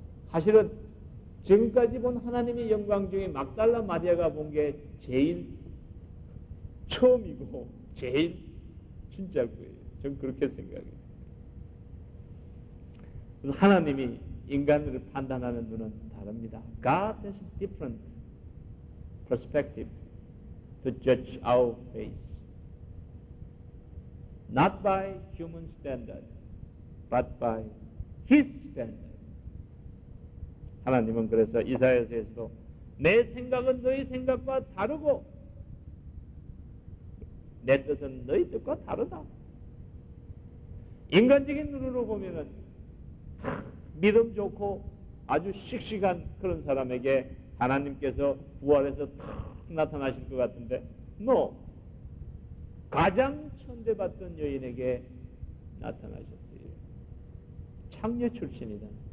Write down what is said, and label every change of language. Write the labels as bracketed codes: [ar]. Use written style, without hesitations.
[ko] 사실은 지금까지 본 하나님의 영광 중에 막달라 마리아가 본 게 제일 처음이고 제일 진짜일 거예요. 전 그렇게 생각해요. 하나님이 인간을 판단하는 눈은 다릅니다. [en] God has a different perspective to judge our faith. Not by human standard, but by His standard. [ko] 하나님은 그래서 이사야서에서도 내 생각은 너희 생각과 다르고 내 뜻은 너희 뜻과 다르다. 인간적인 눈으로 보면은 믿음 좋고 아주 씩씩한 그런 사람에게 하나님께서 부활해서 탁 나타나실 것 같은데 너 가장 천대받던 여인에게 나타나셨어요. 창녀 출신이다.